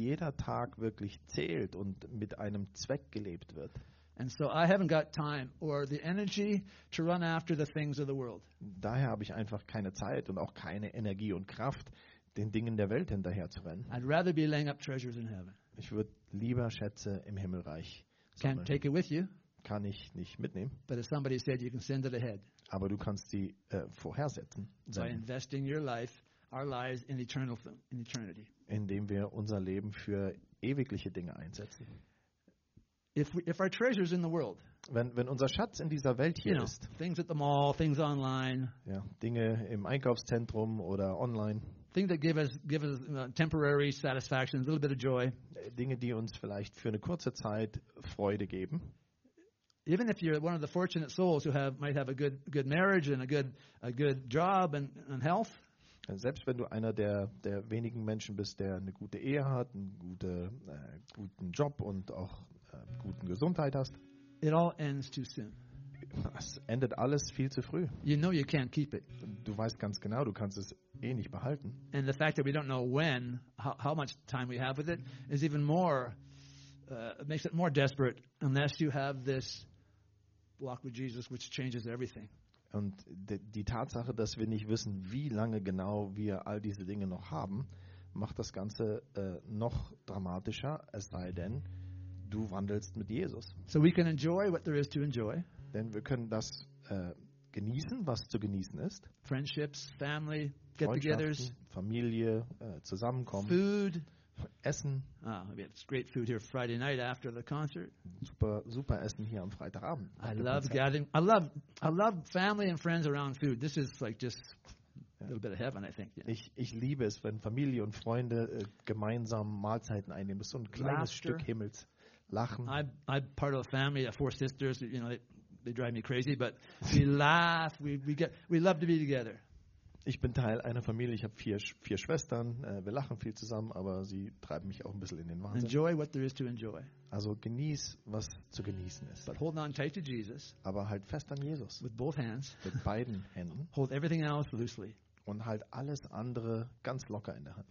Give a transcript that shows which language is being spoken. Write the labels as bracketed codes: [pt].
[de] Jeder Tag wirklich zählt und mit einem Zweck gelebt wird. [en] And so I haven't got time or the energy to run after the things of the world. [de] Daher habe ich einfach keine Zeit und auch keine Energie und Kraft, den Dingen der Welt hinterherzurennen. [en] I'd rather be laying up treasures in heaven. [de] Ich würde lieber Schätze im Himmelreich sammeln. [en] Can't take it with you. [de] Kann ich nicht mitnehmen. [en] But as somebody said, you can send it ahead. [de] Aber du kannst sie vorhersetzen. [en] By investing your life, our lives in eternity. [de] Indem wir unser Leben für ewigliche Dinge einsetzen. [en] If our treasure is in the world, [de] wenn unser Schatz in dieser Welt hier, [en] you know, [de] ist, [en] things at the mall, things online, [de] ja, Dinge im Einkaufszentrum oder online, [en] things that give us temporary satisfaction, a little bit of joy, [de] Dinge, die uns vielleicht für eine kurze Zeit Freude geben, [en] even if you're one of the fortunate souls who might have a good marriage and a good job and health. [de] Selbst wenn du einer der wenigen Menschen bist, der eine gute Ehe hat, einen guten Job und auch guten Gesundheit hast, [en] it all ends too soon. [de] Es endet alles viel zu früh. [en] You know you can't keep it. [de] Du weißt ganz genau, du kannst es eh nicht behalten. [en] And the fact that we don't know when, how much time we have with it, is even more, makes it more desperate, unless you have this walk with Jesus, which changes everything. [de] Und die Tatsache, dass wir nicht wissen, wie lange genau wir all diese Dinge noch haben, macht das Ganze noch dramatischer, es sei denn, du wandelst mit Jesus. [en] So we can enjoy what there is to enjoy. [de] Denn wir können das genießen, was zu genießen ist. [en] Friendships, family, get-togethers. [de] Familie, Zusammenkommen. [en] Food. [de] Essen. [en] Ah, we have great food here Friday night after the concert. [de] Super, super Essen hier am Freitagabend. [en] I love family and friends around food. This is like just a little bit of heaven, I think. Yeah. [de] Ich liebe es, wenn Familie und Freunde gemeinsam Mahlzeiten einnehmen. So ein kleines Laster. Stück Himmels. Lachen. [en] I'm part of a family of four sisters. You know, they drive me crazy, but we laugh. We love to be together. [de] Ich bin Teil einer Familie. Ich habe vier Schwestern. Wir lachen viel zusammen, aber sie treiben mich auch ein bisschen in den Wahnsinn. [en] Enjoy what there is to enjoy. [de] Also genieß, was zu genießen ist. [en] But hold on tight to Jesus. [de] Aber halt fest an Jesus. [en] With both hands. [de] Mit beiden Händen. [en] Hold everything else loosely. [de] Und halt alles andere ganz locker in der Hand.